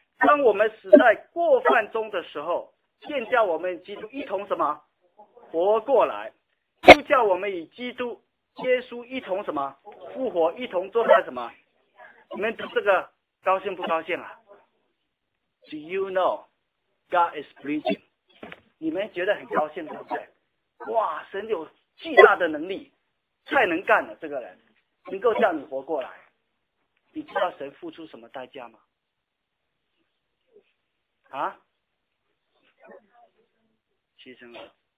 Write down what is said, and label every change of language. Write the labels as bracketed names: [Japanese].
[Chinese] 当我们死在过犯中的时候，便叫我们与基督一同什么活过来。就叫我们与基督耶稣一同什么复活，一同做他什么。你们读这个高兴不高兴啊？ [English] Do you know God is preaching? [Chinese] 你们觉得很高兴对不对？哇，神有巨大的能力，太能干了，这个人能够叫你活过来。你知道神付出什么代价吗？啊，牺牲了。